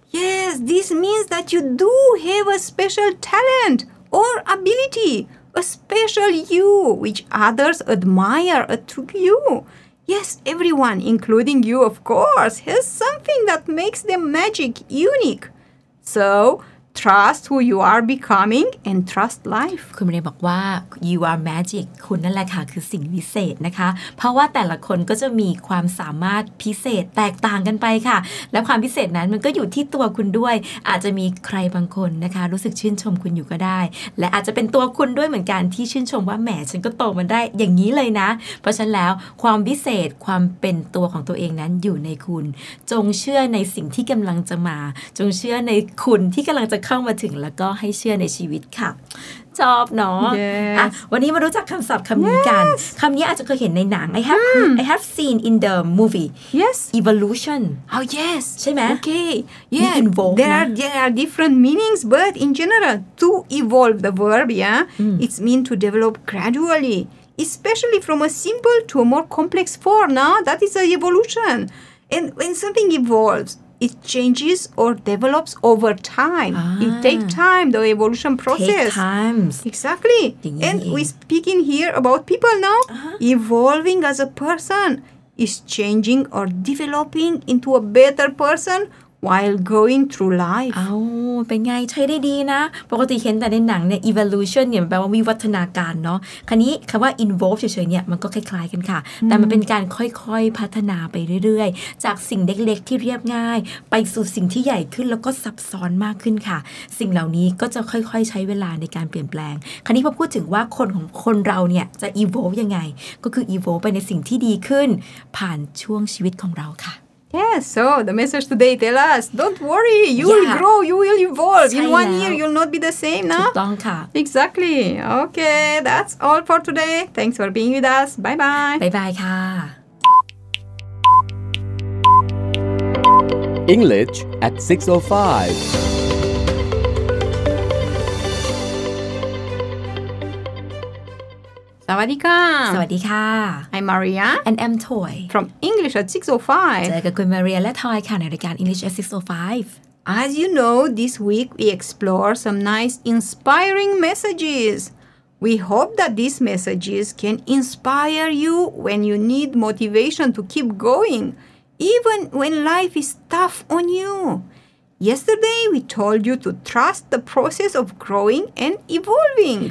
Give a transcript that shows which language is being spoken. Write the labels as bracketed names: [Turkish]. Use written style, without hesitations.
[English] Yes, this means that you do have a special talent or ability, a special you, which others admire to you. Yes, everyone, including you, of course, has something that makes them magic, unique. So, trust who you are becoming and trust life. [Thai] คุณเรียนบอกว่า [English] you are magic. [Thai] คุณนั่นแหละค่ะคือสิ่งวิเศษนะคะเพราะว่าแต่ละคนก็จะมีความสามารถพิเศษแตกต่างกันไปค่ะและความพิเศษนั้นมันก็อยู่ที่ตัวคุณด้วยอาจจะมีใครบางคนนะคะรู้สึกชื่นชมคุณอยู่ก็ได้และอาจจะเป็นตัวคุณด้วยเหมือนกันที่ชื่นชมว่าแหมฉันก็โตมาได้อย่างนี้เลยนะเพราะฉะนั้นแล้วความพิเศษความเป็นตัวของตัวเองนั้นอยู่ในคุณจงเชื่อในสิ่งที่กำลังจะมาจงเชื่อในคุณที่กำลังจะเข้ามาถึงแล้วก็ให้เชื่อในชีวิตค่ะชอบเนาะ [English] yes. [Thai] วันนี้มารู้จักคำศัพท์คำนี้กันคำนี้อาจจะเคยเห็นในหนัง [English] I have seen in the movie yes evolution oh yes [Thai] ใช่ไหม [English] okay yes we involve there are different meanings but in general to evolve the verb yeah it's mean to develop gradually especially from a simple to a more complex form now that is a evolution and when something evolvesIt changes or develops over time. It takes time, the evolution process. Take times. Exactly. And we're speaking here about people now. Uh-huh. Evolving as a person is changing or developing into a better person. While going through life [Thai] อ้าวเป็นไงใช้ได้ดีนะปกติเห็นแต่ในหนังเนี่ย evolution เนี่ยแปลว่าวิวัฒนาการเนาะคราวนี้คำว่า involve เฉยๆเนี่ยมันก็คล้ายๆกันค่ะแต่มันเป็นการค่อยๆพัฒนาไปเรื่อยๆจากสิ่งเล็กๆที่เรียบง่ายไปสู่สิ่งที่ใหญ่ขึ้นแล้วก็ซับซ้อนมากขึ้นค่ะสิ่งเหล่านี้ก็จะค่อยๆใช้เวลาในการเปลี่ยนแปลงคราวนี้พอพูดถึงว่าคนของคนเราเนี่ยจะ evolve ยังไงก็คือ evolve ไปในสิ่งที่ดีขึ้นผ่านช่วงชีวิตของเราค่ะ [English] Yeah, so the message today tell us, don't worry, you will grow, you will evolve. In one year, you'll not be the same, no? Exactly. Okay, that's all for today. Thanks for being with us. Bye-bye. Bye-bye, ka. English at 6:05. [Thai] Sawadika. Sawadika. [English] I'm Maria. And I'm Toy. From English at 6:05. [Thai] เจอกับคุณ Maria และ Toy ค่ะในรายการ English at 6:05. [English] As you know, this week we explore some nice inspiring messages. We hope that these messages can inspire you when you need motivation to keep going, even when life is tough on you. Yesterday we told you to trust the process of growing and evolving.